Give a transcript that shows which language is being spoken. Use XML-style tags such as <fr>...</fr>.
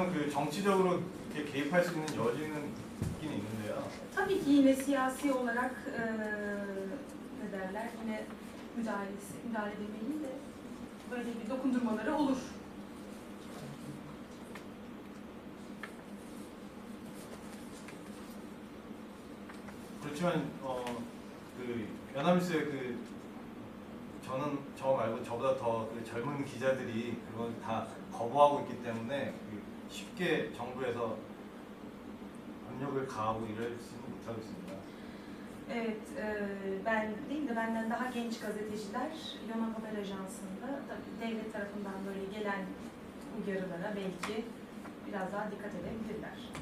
<ko>정치적으로 이렇게 개입할 수 있는 여지는 있긴 있는데요.</ko> <tr>타비기 yine siyasi olarak ne derler? Yine müdahale edemeyin de böyle bir dokundurmaları olur.</tr> <ko>그렇지만 그 연합뉴스의 그 저는 저 말고 저보다 더 그 젊은 기자들이 그걸 다 거부하고 있기 때문에 쉽게 정부에서 압력을 가하고 이럴 수는 못하고 있습니다.</ko> <tr>Evet, ben değil de benden daha genç gazeteciler Yonhap Haber Ajansı'nda tabii devlet tarafından böyle gelen uyarılara belki biraz daha dikkat edebilirler.</tr>